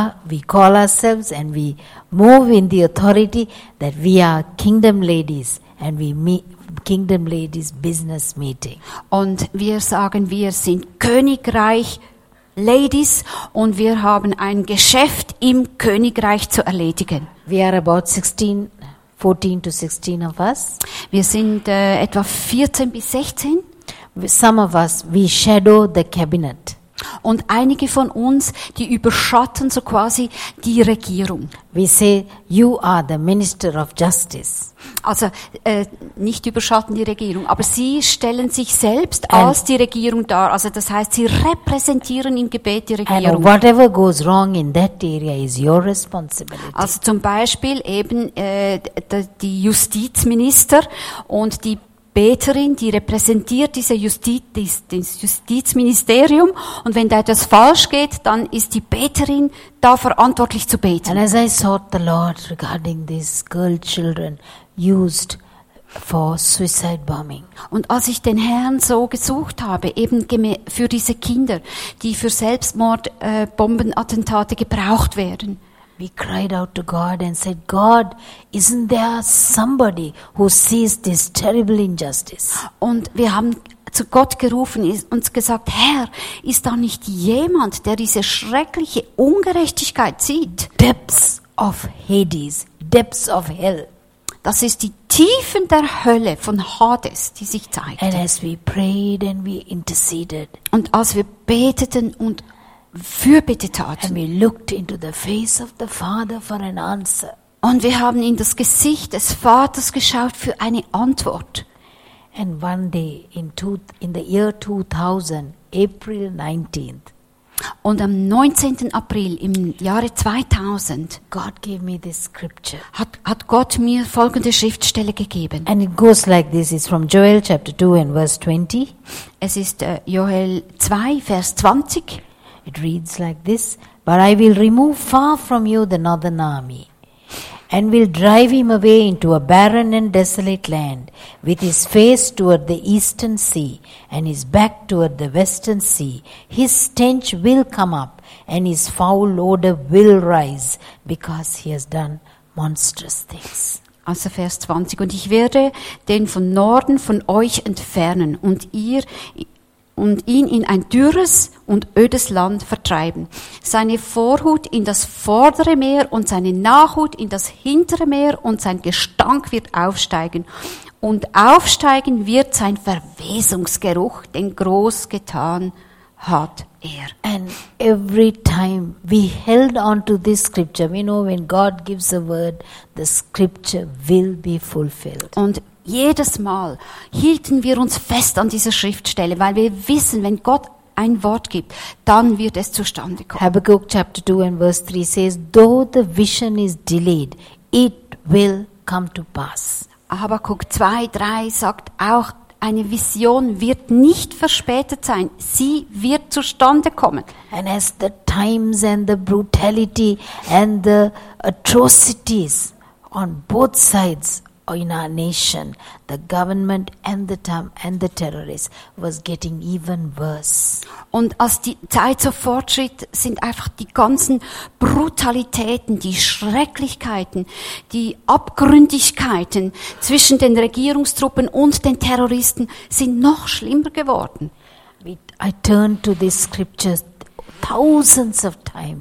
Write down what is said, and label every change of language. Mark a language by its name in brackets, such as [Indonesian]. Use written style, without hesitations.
[English] We call ourselves and we move in the authority that we are kingdom ladies and we meet kingdom ladies business meeting. [German] Und wir sagen, wir sind Königreich Ladies und wir haben ein Geschäft im Königreich zu erledigen. [English] We are about 14 to 16 of us. [German] Wir sind etwa 14 bis 16. [English] Some of us, we shadow the cabinet. [German] Und einige von uns, die überschatten so quasi die Regierung. [English] We say, you are the minister of justice. [German] Also nicht überschatten die Regierung, aber sie stellen sich selbst als die Regierung dar. Also das heißt, sie repräsentieren im Gebet die Regierung. [English] And whatever goes wrong in that area is your responsibility. [German] Also zum Beispiel eben die Justizminister und die Beterin, die repräsentiert diese Justizministerium und wenn da etwas falsch geht, dann ist die Beterin da verantwortlich zu beten. [English] And as I sought the Lord regarding these girl children used for suicide bombing. [German] Und als ich den Herrn so gesucht habe, eben für diese Kinder, die für Selbstmordbombenattentate gebraucht werden. [English] We cried out to God and said, God, isn't there somebody who sees this terrible injustice? [German] Und wir haben zu Gott gerufen und gesagt, Herr, ist da nicht jemand, der diese schreckliche Ungerechtigkeit sieht? [English] Depths of Hades, depths of hell. [German] Das ist die Tiefen der Hölle von Hades, die sich zeigt. [English] And as we prayed and we interceded. [German] Und als wir beteten und Fürbitte taten. [English] And we looked into the face of the Father for an answer. [German] Und wir haben in das Gesicht des Vaters geschaut für eine Antwort. [English] And one day in the year 2000, April 19th. [German] Und am 19. April im Jahre 2000, [English] God gave me this scripture. [German] Hat Gott mir folgende Schriftstelle gegeben. [English] And it goes like this. It's from Joel chapter 2 and verse 20. [German] Es ist Joel 2 Vers 20. [English] It reads like this, but I will remove far from you the northern army and will drive him away into a barren and desolate land with his face toward the eastern sea and his back toward the western sea. His stench will come up and his foul odor will rise because he has done monstrous things. [German] Also Vers 20, und ich werde den von Norden von euch entfernen und ihr und ihn in ein dürres und ödes Land vertreiben. Seine Vorhut in das vordere Meer und seine Nachhut in das hintere Meer und sein Gestank wird aufsteigen. Und aufsteigen wird sein Verwesungsgeruch, den groß getan hat er. [English] And every time we held on to this scripture, we know when God gives a word, the scripture will be fulfilled. [German] Und jedes Mal hielten wir uns fest an dieser Schriftstelle, weil wir wissen, wenn Gott ein Wort gibt, dann wird es zustande kommen. [English] Habakkuk chapter 2 and verse 3 says, though the vision is delayed, it will come to pass. [German] Habakkuk 2, 3 sagt auch, eine Vision wird nicht verspätet sein, sie wird zustande kommen. [English] And as the times and the brutality and the atrocities on both sides in our nation, the government and the terrorists was getting even worse. [German] Und als die Zeit so fortschritt, sind einfach die ganzen Brutalitäten, die Schrecklichkeiten, die Abgründigkeiten zwischen den Regierungstruppen und den Terroristen sind noch schlimmer geworden. [English] I turned to this scripture thousands of times.